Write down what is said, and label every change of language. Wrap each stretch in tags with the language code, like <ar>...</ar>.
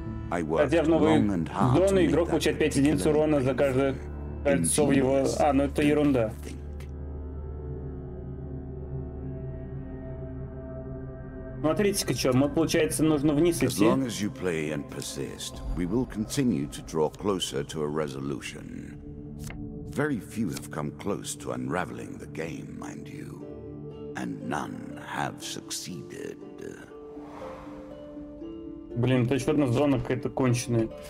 <ru>Хотя в новой зоне игрок получает 5 единиц урона за каждое кольцо в его... А, ну это ерунда. Смотрите-ка, что, мы, получается, нужно вниз идти.</ru> <en>As long as you play and persist, we will continue to draw closer to a resolution. Very few have come close to unraveling the game, mind you. And none have succeeded.</en> <ru>Блин, это еще одна зона какая-то конченая.</ru>